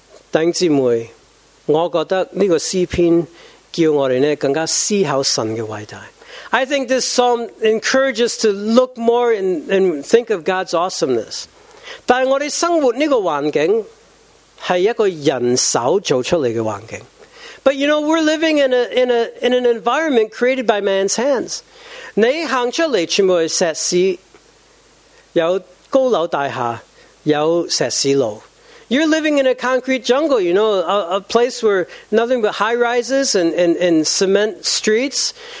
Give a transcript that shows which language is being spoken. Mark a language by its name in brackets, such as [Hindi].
[Chinese] 弟兄姊妹, 我覺得這個詩篇叫我們更加思考神的偉大. [English] I think this psalm encourages to look more and think of God's awesomeness. [Chinese] 但我們生活這個環境是一個人手做出來的環境. [English] But you know, we're living in an environment created by man's hands. [Chinese] 你走出來全部是石屎, 有高樓大廈, 有石屎路. [English] You're living in a concrete jungle, you know, a place where nothing but high rises and cement streets.